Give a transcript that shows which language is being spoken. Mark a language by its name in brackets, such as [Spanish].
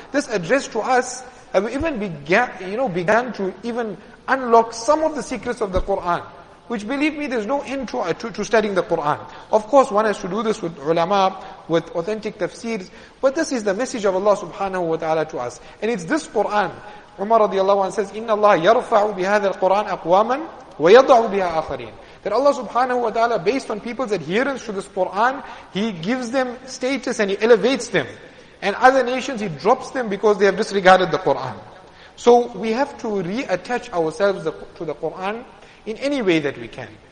[English] This address to us, have even began to even unlock some of the secrets of the Qur'an. Which, believe me, there's no end to studying the Qur'an. Of course, one has to do this with ulama, with authentic tafsirs. But this is the message of Allah subhanahu wa ta'ala to us. And it's this Qur'an. [Arabic] Umar radiallahu anhu says, إِنَّ اللَّهَ يَرْفَعُ بِهَذَا الْقُرْآنَ أَقْوَامًا وَيَضَعُ بِهَا آخَرِينَ. [English] That Allah subhanahu wa ta'ala, based on people's adherence to this Qur'an, He gives them status and He elevates them. And other nations, He drops them because they have disregarded the Qur'an. So we have to reattach ourselves to the Qur'an in any way that we can.